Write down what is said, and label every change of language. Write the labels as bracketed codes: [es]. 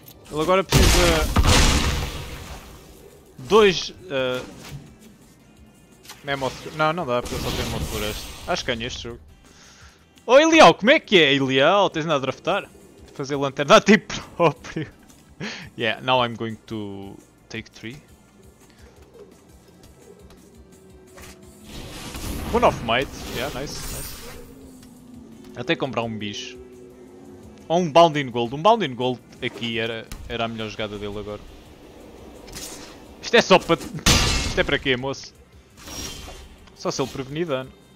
[pt] Ele agora precisa... 2... Mammoth... Não, não dá, porque eu só tenho uma floresta. Acho que ganho este jogo. Oh, Ilial, como é que é? Ilial, tens nada a draftar? Fazer lanterna a ti próprio. [en] Yeah, now I'm going to take 3. One of might, yeah, nice, nice. [pt] Até comprar um bicho. Ou um bound in gold. Um bound in gold aqui era, era a melhor jogada dele agora. Isto é só para... Isto é para quê, moço? Só se ele prevenir dano.